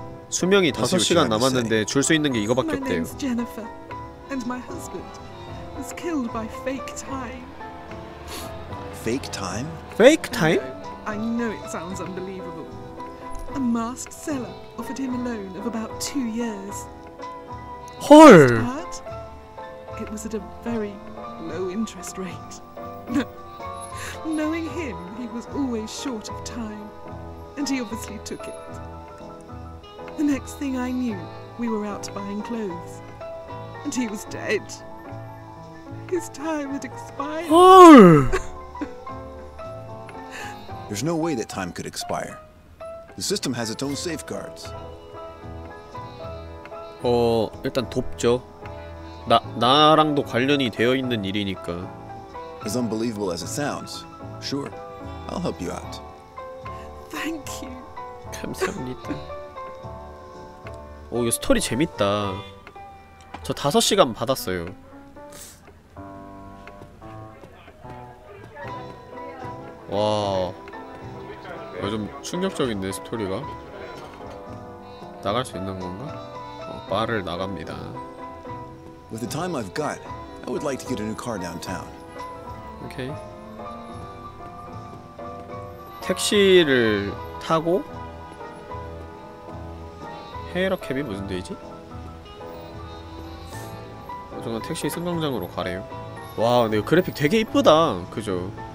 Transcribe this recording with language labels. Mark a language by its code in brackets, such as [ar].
[ko] 수명이 5시간 남았는데 줄 수 있는 게 이거밖에 없대요. [en] My name is Jennifer and my husband was killed by fake time. Fake time? Fake time? I know it sounds unbelievable. A masked seller offered him a loan of about 2 years. Hol. It was at a very low interest rate. Knowing him, he was always short of time, and he obviously took it. The next thing I knew, we were out buying clothes, and he was dead. His time had expired. Hol. There's no way that time could expire. The system has its own safeguards. [ko] 어, 일단 돕죠. 나랑도 관련이 되어 있는 일이니까. [en] As unbelievable as it sounds. Sure. I'll help you out. Thank you. [ko] 감사합니다. 오, 이거 스토리 재밌다. 저 5시간 받았어요. 와. 좀 충격적인데 스토리가. 나갈 수 있는 건가? 어, 바를 나갑니다. [en] With the time I've got, I would like to get a new car downtown. [ko] 오케이. 택시를 타고 헤이러캡이 무슨 데이지? 저는 택시 승강장으로 가래요. 와, 근데 그래픽 되게 이쁘다. 그죠?